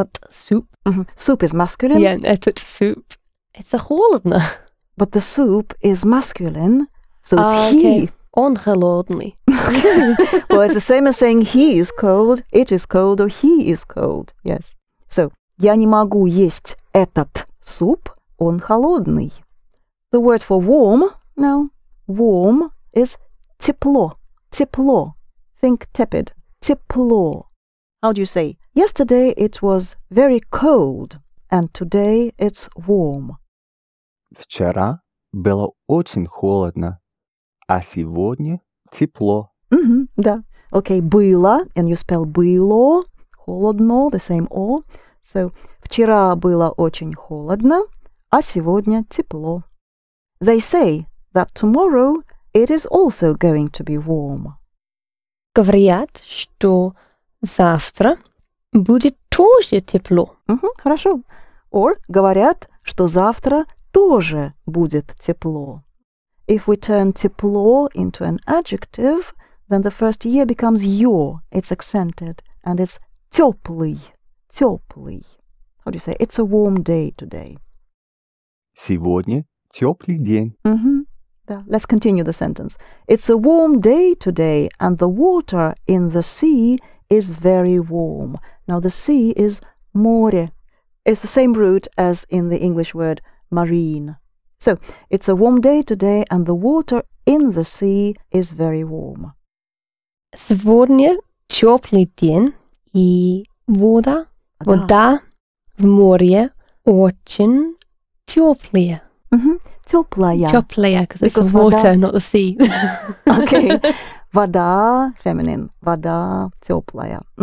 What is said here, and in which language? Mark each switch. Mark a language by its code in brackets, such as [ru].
[en] soup. Soup is masculine. Yeah, этот soup. [ru] It's a холодно. [en] But the soup is masculine, so it's okay. He. [ru] Он холодный. [en] Well, it's the same as saying he is cold, it is cold, or he is cold. Yes. [ru] So, я не могу есть этот суп, он холодный. [en] The word for warm, now, warm is тепло. Тепло. Think tepid. Тепло. How do you say? Yesterday it was very cold, and today it's warm. [ru] Вчера было очень холодно. А сегодня тепло. Да. [en] Okay, было, and you spell было, холодно, the same O. [ru] So, вчера было очень холодно, а сегодня тепло. [en] They say that tomorrow it is also going to be warm. [ru] Говорят, что завтра будет тоже тепло. Хорошо. Or, говорят, что завтра тоже будет тепло. [en] If we turn тепло into an adjective, then the first е becomes ё, it's accented, and it's тёплый, тёплый. How do you say, it's a warm day today. [ru] Сегодня тёплый день. [en] Let's continue the sentence. It's a warm day today, and the water in the sea is very warm. Now, the sea is море. It's the same root as in the English word marine. So, it's a warm day today, and the water in the sea is very warm. [ru] Сегодня теплый день, и вода в море очень теплая. Теплая. [en] Теплая, because it's water, not the sea. Okay. [ru] Вода, feminine. Вода теплая.